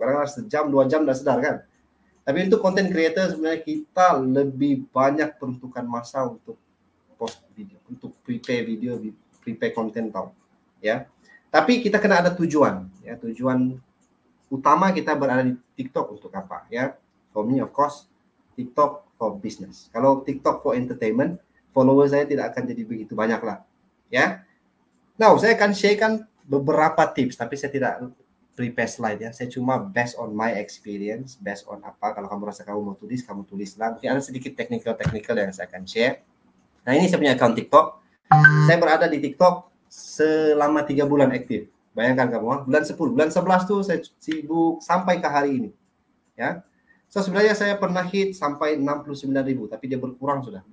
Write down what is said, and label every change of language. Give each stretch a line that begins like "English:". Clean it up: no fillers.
Malay: Kadang-kadang sejam, dua jam dah sedar kan. Tapi untuk content creator sebenarnya kita lebih banyak peruntukan masa untuk post video, untuk
English: prepare video, prepare content
Malay: tau. Ya. Tapi kita kena ada tujuan. Ya. Tujuan utama kita berada di TikTok untuk apa? Ya.
English: For me of course, TikTok for business.
Malay: Kalau TikTok
English: for entertainment,
Malay: follower saya tidak akan jadi begitu banyak lah. Ya. Now, saya akan sharekan beberapa tips, tapi saya tidak prepare slide ya. Saya cuma
English: based on my experience, based on
Malay: apa. Kalau kamu rasa kamu mau tulis, kamu tulislah. Mungkin ada sedikit technical-technical yang saya akan share. Nah, ini saya punya account TikTok. Saya berada di TikTok selama 3 bulan aktif. Bayangkan kamu, bulan 10. Bulan 11 tuh saya sibuk sampai ke hari ini. Ya. So, sebenarnya saya pernah hit sampai 69 ribu, tapi dia berkurang sudah.